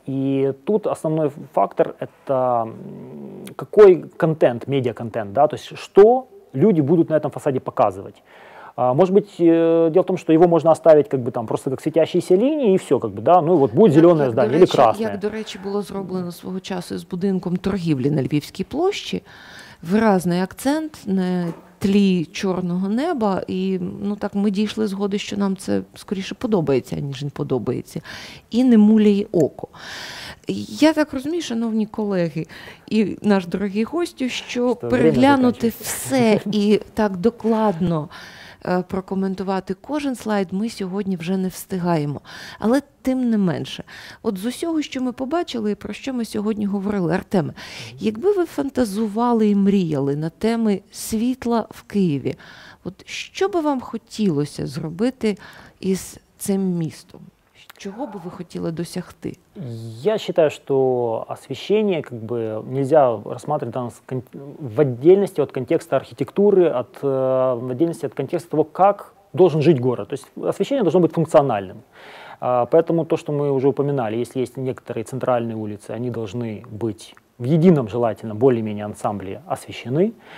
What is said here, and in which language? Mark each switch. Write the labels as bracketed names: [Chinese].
[Russian] И тут основной фактор – это какой контент, медиа-контент, то есть что люди будут на этом фасаде показывать. Может быть, дело в том, что его можно оставить просто как светящиеся линии, и все, будет зеленое здание или красное. [Ukrainian] Як, до речі, було зроблено свого часу з будинком торгівлі на Львівській площі, виразний акцент на тлі чорного неба, і ми дійшли згоди, що нам це скоріше подобається, ніж не подобається, і не муляє око. Я так розумію, шановні колеги, і наш дорогий гостю, що переглянути все і так докладно прокоментувати кожен слайд ми сьогодні вже не встигаємо. Але тим не менше, з усього, що ми побачили і про що ми сьогодні говорили, Артеме, якби ви фантазували і мріяли на теми світла в Києві, що би вам хотілося зробити із цим містом? [Russian] Чего бы вы хотели досягти? Я считаю, что освещение нельзя рассматривать в отдельности от контекста архитектуры, в отдельности от контекста того, как должен жить город. То есть освещение должно быть функциональным. Поэтому то, что мы уже упоминали, если есть некоторые центральные улицы, они должны быть в едином, желательно, более-менее ансамбле освещены.